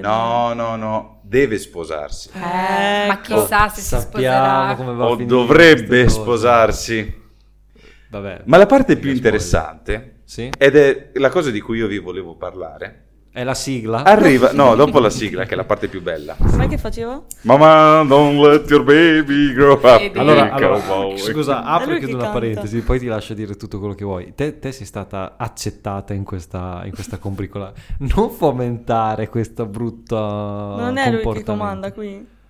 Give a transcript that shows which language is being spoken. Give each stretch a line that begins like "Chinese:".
Italian: No. Deve sposarsi. Ecco. Ma chissà se sappiamo si sposerà. Come va o dovrebbe sposarsi. Vabbè, ma la parte più interessante... spoglio. Sì. Ed è la cosa di cui io vi volevo parlare. È la sigla. Arriva, no, dopo la sigla, che è la parte più bella. Ma che facevo?
English: Mamma, don't let your baby grow up. Baby.
Italian: Allora, scusa, apro chiudo una parentesi, poi ti lascio dire tutto quello che vuoi. Te sei stata accettata in questa combricola. Non fomentare questa brutta comportamento. Non è lui che comanda qui.